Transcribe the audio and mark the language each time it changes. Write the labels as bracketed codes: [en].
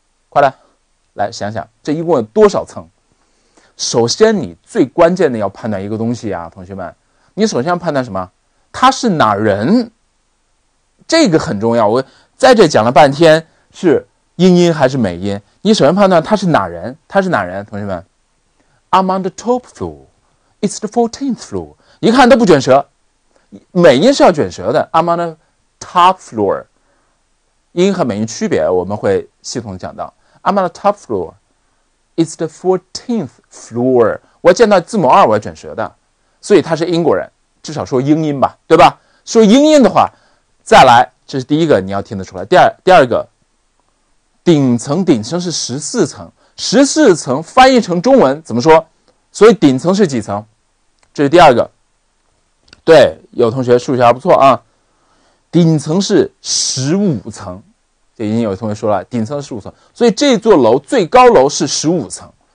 [zh] 快来，来想想，这一共有多少层？首先，你最关键的要判断一个东西啊，同学们，你首先要判断什么？他是哪人？这个很重要。我在这讲了半天，是英音还是美音？你首先判断他是哪人？他是哪人？同学们 [en] ，I'm on the top floor, it's the 14th floor。 [zh] 一看都不卷舌，美音是要卷舌的。 [en] I'm on the top floor， [zh] 英和美音区别我们会系统讲到。 [en] I'm on the top floor, it's the 14th floor。 [zh] 我见到字母二我要卷舌的，所以他是英国人。至少说英音吧，对吧？说英音的话，再来，这是第一个你要听得出来。第二个，顶层是14层，14层翻译成中文怎么说？所以顶层是几层？这是第二个。对，有同学数学还不错啊，顶层是15层，这已经有同学说了，顶层是15层，所以这座楼最高楼是15层。